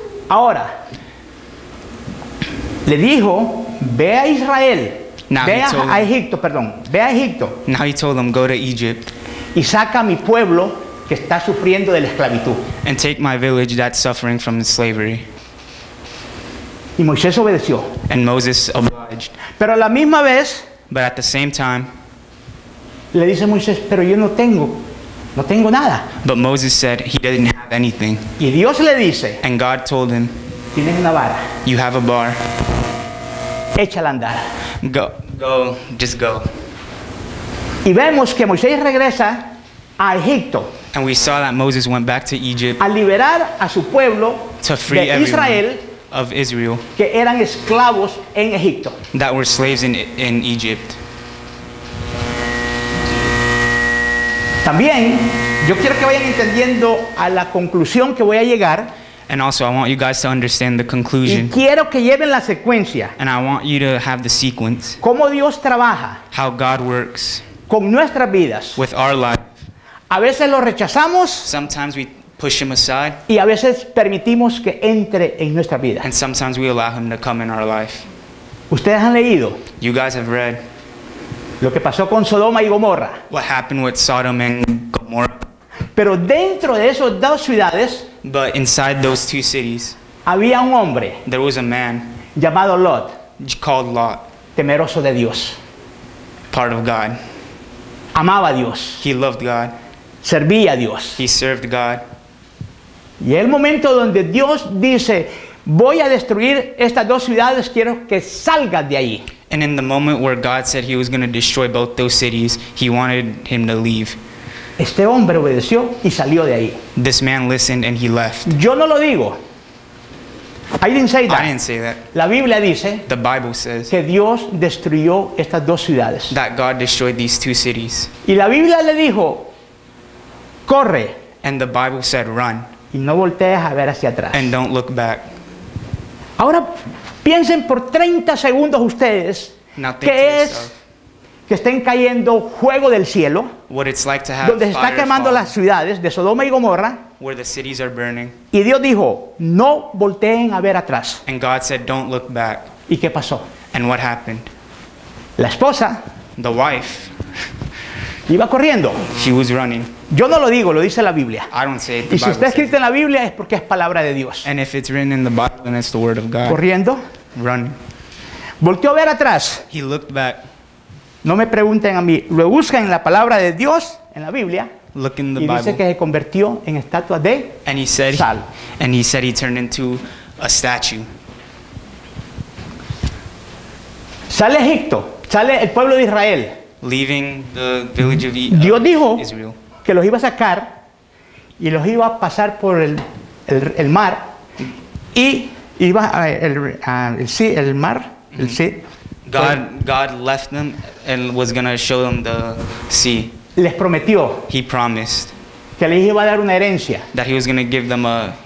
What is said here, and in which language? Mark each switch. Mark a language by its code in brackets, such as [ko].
[es] Ahora le dijo, ve a Israel, ve a Egipto. [en] Now he told them, go to Egypt, [es] y saca a mi pueblo que está sufriendo de la esclavitud, [en] and take my village that's suffering from slavery. [es] Y Moisés obedeció, [en] and Moses obliged. [es] Pero a la misma vez, [en] but at the same time, [es] le dice Moisés, pero yo no tengo nada. [en] But Moses said he didn't have anything. [es] Y Dios le dice, [en] and God told him, [es] tienes una vara, [en] you have a bar, [es] échala andar, [en] go, just go. [es] Y vemos que Moisés regresa a Egipto, [en] and we saw that Moses went back to Egypt, [es] a liberar a su pueblo, [en] to free [es] de Israel, [en] of Israel, [es] que eran esclavos en Egipto, [en] that were slaves in Egypt. [es] También yo quiero que vayan entendiendo a la conclusión que voy a llegar, [en] and also I want you guys to understand the conclusion, [es] y quiero que lleven la secuencia, [en] and I want you to have the sequence, [es] cómo Dios trabaja, [en] how God works, [es] con nuestras vidas, [en] with our life. [es] A veces lo rechazamos, [en] sometimes we push him aside, [es] y a veces permitimos que entre en nuestra vida, [en] and sometimes we allow him to come in our life. [es] Ustedes han leído, [en] you guys have read, [es] lo que pasó con Sodoma y Gomorra, [en] what happened with Sodom and Gomorrah. [es] Pero dentro de esos dos ciudades, [en] but inside those two cities, [es] Había un hombre. [en] There was a man. [es] Llamado Lot. [en] Called Lot. [es] Temeroso de Dios. [en] Part of God. [es] Amaba a Dios. [en] He loved God. [es] Servía a Dios. [en] He served God. [es] Y el momento donde Dios dice, voy a destruir estas dos ciudades, quiero que salgas de ahí. [en] And in the moment where God said he was going to destroy both those cities, he wanted him to leave. [es] Este hombre obedeció y salió de ahí. [en] This man listened and he left. [es] Yo no lo digo. [en] I didn't say that. I didn't say that. [es] La Biblia dice, [en] the Bible says, [es] que Dios destruyó estas dos ciudades. [en] That God destroyed these two cities. [es] Y la Biblia le dijo, corre. [en] And the Bible said, run. [es] Y no voltees a ver hacia atrás. [en] And don't look back. [es] Ahora piensen por 30 segundos ustedes, ¿qué es que estén cayendo fuego del cielo? [en] What it's like to have [es] donde se están quemando las ciudades de Sodoma y Gomorra. [en] Where the cities are burning. [es] Y Dios dijo, no volteen a ver atrás. [en] And God said, don't look back. [es] ¿Y qué pasó? [en] And what happened? [es] La esposa. [en] The wife. [es] Iba corriendo. [en] She was running. [es] Yo no lo digo, lo dice la Biblia. [en] I don't say it, [es] y si está escrito en la Biblia es porque es palabra de Dios. [en] And if it's written in the Bible, then it's the word of God. [es] Corriendo. [en] Running. [es] Volteó a ver atrás. [en] He looked back. [es] No me pregunten a mí. Lo buscan en la palabra de Dios, en la Biblia. [en] Look in the [es] y [en] Bible. [es] Dice que se convirtió en estatua de [en] and he said, [es] sal. [en] And he said he turned into a statue. [es] Sale Egipto. Sale el pueblo de Israel. [en] Leaving the village of Israel. [es] Dios dijo que los iba a sacar y los iba a pasar por el mar y iba a el mar, mm-hmm. El sea. [en] God left them and was going to show them the sea. [es] Les prometió. [en] He promised. [es] Que les iba a dar una herencia. [en] That he was going to give them a